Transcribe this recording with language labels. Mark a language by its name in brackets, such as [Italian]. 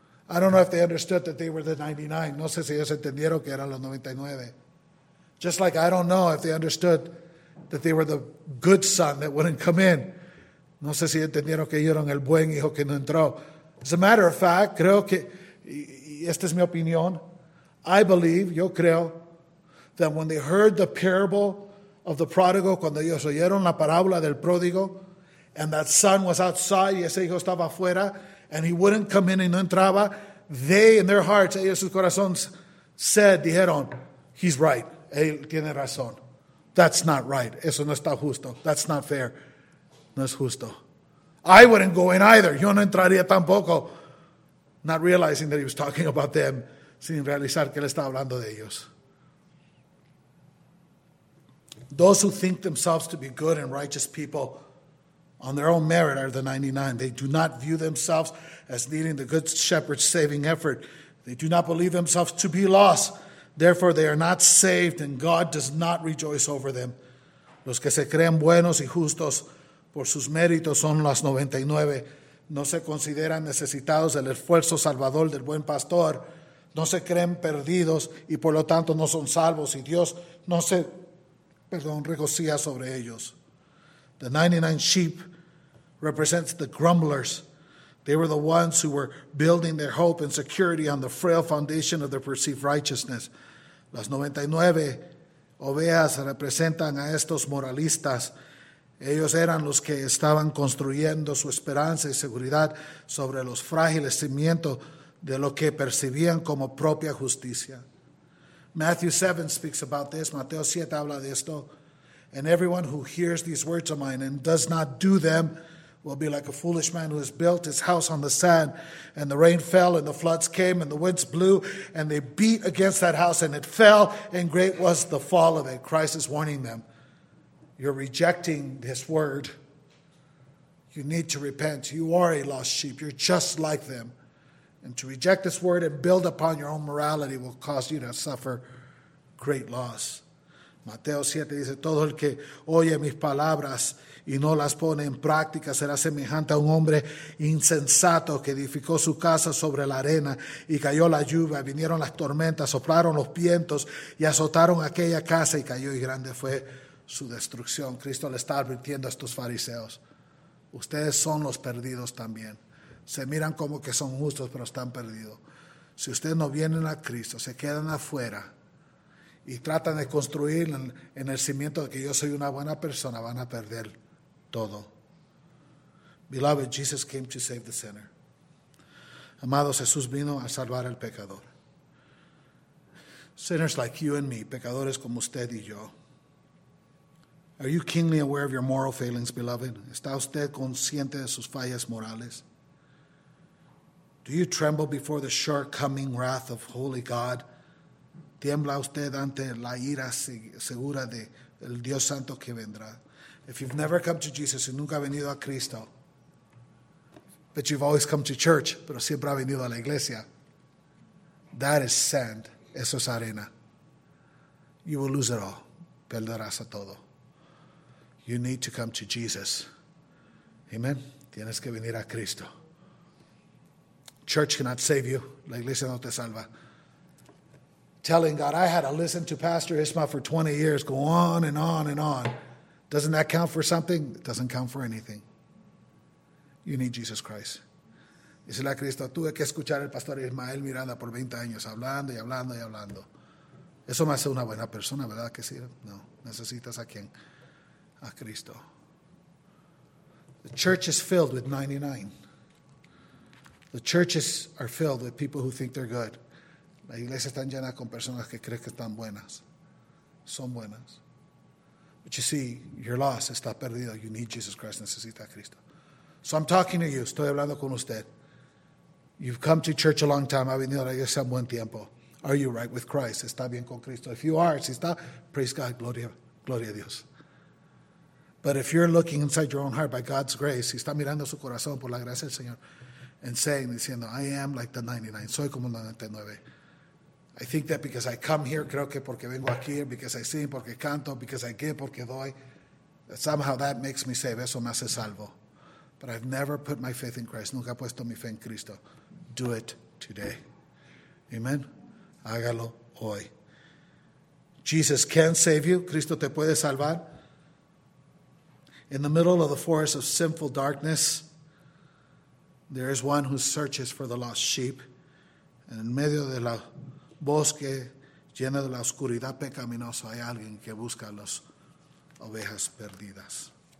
[English] I don't know if they understood that they were the 99. [Spanish] No sé si ellos entendieron que eran los 99. [English] Just like I don't know if they understood that they were the good son that wouldn't come in. [Spanish] No sé si entendieron que ellos eran el buen hijo que no entró. [English] As a matter of fact, [Spanish] creo que, y esta es mi opinión, [English] I believe, [Spanish] yo creo, [English] that when they heard the parable of the prodigal, [Spanish] cuando ellos oyeron la parábola del pródigo, [English] and that son was outside, [Spanish] y ese hijo estaba afuera, [English] and he wouldn't come in [Spanish] y no entraba, [English] they, in their hearts, [Spanish] ellos sus corazones, [English] said, [Spanish] dijeron, [English] he's right, [Spanish] él tiene razón. [English] That's not right. [Spanish] Eso no está justo. [English] That's not fair. [Spanish] No es justo. [English] I wouldn't go in either. [Spanish] Yo no entraría tampoco. [English] Not realizing that he was talking about them, [Spanish] sin realizar que él estaba hablando de ellos. [English] Those who think themselves to be good and righteous people on their own merit are the 99. They do not view themselves as needing the good shepherd's saving effort. They do not believe themselves to be lost. Therefore, they are not saved and God does not rejoice over them. [Spanish] Los que se creen buenos y justos por sus méritos son las 99. No se consideran necesitados del esfuerzo salvador del buen pastor. No se creen perdidos y por lo tanto no son salvos y Dios no se... Perdón, regocija sobre ellos. [English] The 99 sheep represents the grumblers. They were the ones who were building their hope and security on the frail foundation of their perceived righteousness. [Spanish] Las 99 ovejas representan a estos moralistas. Ellos eran los que estaban construyendo su esperanza y seguridad sobre los frágiles cimientos de lo que percibían como propia justicia. [English] Matthew 7 speaks about this. [Spanish] Mateo 7 habla de esto. [English] And everyone who hears these words of mine and does not do them will be like a foolish man who has built his house on the sand. And the rain fell and the floods came and the winds blew and they beat against that house and it fell and great was the fall of it. Christ is warning them. You're rejecting this word. You need to repent. You are a lost sheep. You're just like them. And to reject this word and build upon your own morality will cause you to suffer great loss. [Spanish] Mateo 7 dice, todo el que oye mis palabras y no las pone en práctica será semejante a un hombre insensato que edificó su casa sobre la arena y cayó la lluvia, vinieron las tormentas, soplaron los vientos y azotaron aquella casa y cayó y grande fue su destrucción. Cristo le está advirtiendo a estos fariseos. Ustedes son los perdidos también. Se miran como que son justos, pero están perdidos. Si ustedes no vienen a Cristo, se quedan afuera y tratan de construir en el cimiento de que yo soy una buena persona, van a perder todo. [English] Beloved, Jesus came to save the sinner. [Spanish] Amado, Jesús vino a salvar al pecador. [English] Sinners like you and me, [Spanish] pecadores como usted y yo. [English] Are you keenly aware of your moral failings, beloved? [Spanish] ¿Está usted consciente de sus fallas morales? [English] Do you tremble before the sure coming wrath of holy God? [Spanish] ¿Tiembla usted ante la ira segura de el Dios Santo que vendrá? [English] If you've never come to Jesus, [Spanish] y nunca ha venido a Cristo, [English] but you've always come to church, [Spanish] pero siempre ha venido a la iglesia, [English] that is sand, [Spanish] eso es arena. [English] You will lose it all, [Spanish] perderás a todo. [English] You need to come to Jesus. Amen. [Spanish] Tienes que venir a Cristo. [English] Church cannot save you. [Spanish] La iglesia no te salva. [English] Telling God, I had to listen to Pastor Isma for 20 years, go on and on and on. Doesn't that count for something? It doesn't count for anything. You need Jesus Christ. [Spanish] Dice la Cristo, tuve que escuchar al Pastor Ismael Miranda por 20 años, hablando y hablando y hablando. Eso me hace una buena persona, ¿verdad que sí? No, necesitas a quién? A Cristo. [English] The church is filled with 99. The churches are filled with people who think they're good. [Spanish] La iglesia está llena con personas que creen que están buenas. Son buenas. [English] But you see, you're lost. [Spanish] Está perdido. [English] You need Jesus Christ. [Spanish] Necesita a Cristo. [English] So I'm talking to you. [Spanish] Estoy hablando con usted. [English] You've come to church a long time. [Spanish] Ha venido a la iglesia un buen tiempo. [English] Are you right with Christ? [Spanish] Está bien con Cristo. [English] If you are, [Spanish] si está, [English] praise God, [Spanish] gloria a Dios. [English] But if you're looking inside your own heart by God's grace, [Spanish] si está mirando su corazón por la gracia del Señor, [English] and saying, [Spanish] diciendo, [English] I am like the 99, [Spanish] soy como el 99. [English] I think that because I come here, [Spanish] creo que porque vengo aquí, [English] because I sing, [Spanish] porque canto, [English] because I give, [Spanish] porque doy, [English] somehow that makes me save, [Spanish] eso me hace salvo. [English] But I've never put my faith in Christ. [Spanish] Nunca he puesto mi fe en Cristo. [English] Do it today. Amen. [Spanish] Hágalo hoy. [English] Jesus can save you. [Spanish] Cristo te puede salvar. [English] In the middle of the forest of sinful darkness, there is one who searches for the lost sheep. [Spanish] En medio de la bosque llena de la oscuridad pecaminosa, hay alguien que busca las ovejas perdidas.